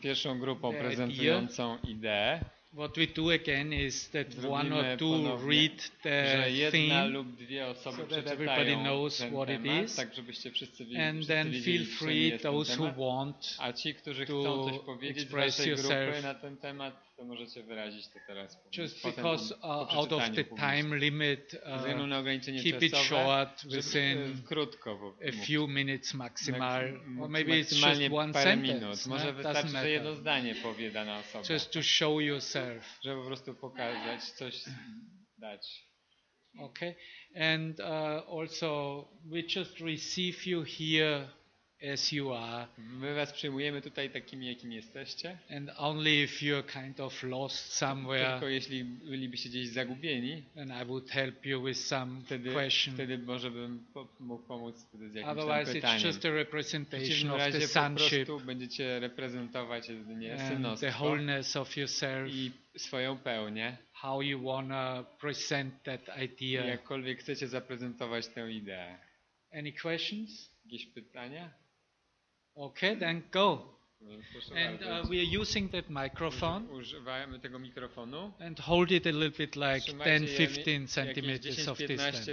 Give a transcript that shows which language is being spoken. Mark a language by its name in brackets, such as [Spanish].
[Polish] Pierwszą grupą prezentującą ideę. [English] What we do again is that one or two read the theme, [Polish] lub dwie osoby [English] so that everybody knows what it is. [Polish] Tak, żebyście wszyscy wiedzieli. [English] And then feel free those who want [Polish] a ci, którzy chcą coś powiedzieć z naszej grupy na ten temat, to możecie wyrazić to teraz. [English] Just because out of the time limit, keep it short, within a few minutes maximal, or maybe it's just one sentence. [Polish] Może wystarczy, że jedno zdanie powie dana osoba. [English] Just to show yourself. [Polish] Żeby po prostu pokazać, coś dać. [English] Okay, and also we just receive you here as you are. [Polish] My was przyjmujemy tutaj takimi, jakimi jesteście. [English] And only if you're kind of lost somewhere. [Polish] Tylko jeśli bylibyście gdzieś zagubieni. [English] And I would help you with some question. [Polish] Wtedy może bym mógł pomóc z jakimś pytaniem. [English] Otherwise it's just a representation of the sonship. [Polish] Po prostu będziecie reprezentować jedynie synostwo. [English] The wholeness of yourself. [Polish] I swoją pełnię. [English] How you wanna present that idea. [Polish] I jakkolwiek chcecie zaprezentować tę ideę. [English] Any questions? [Polish] Jakieś pytania? [English] Okay, then go. And we are using that microphone. [Polish] Używamy tego mikrofonu. [English] And hold it a little bit like 10-15 centimeters of distance.